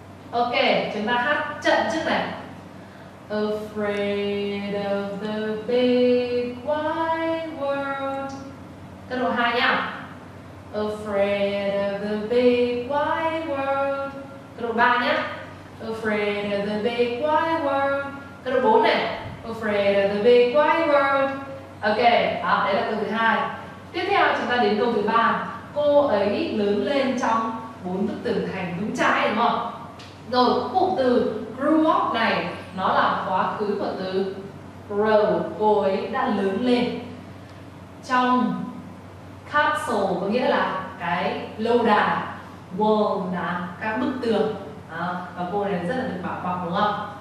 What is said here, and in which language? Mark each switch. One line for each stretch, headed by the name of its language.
Vietnamese: Ok, chúng ta hát chậm trước này.
English: Afraid of the big wide world.
Vietnamese: Cấp độ 2 nhá.
English: Afraid of the big wide world.
Vietnamese: Cấp độ 3 nhá.
English: Afraid of the big wide world.
Vietnamese: Cấp độ 4 này.
English: Afraid of the big wide world.
Vietnamese: Ok, đó, đấy là câu thứ 2. Tiếp theo chúng ta đến câu thứ 3. Cô ấy lớn lên trong bốn bức tường thành vững chãi đúng không? Rồi, cụm từ grew up này nó là quá khứ của từ grow, cô ấy đã lớn lên trong castle, có nghĩa là cái lâu đài, wall là các bức tường à, và cô này rất là được bảo bọc đúng không?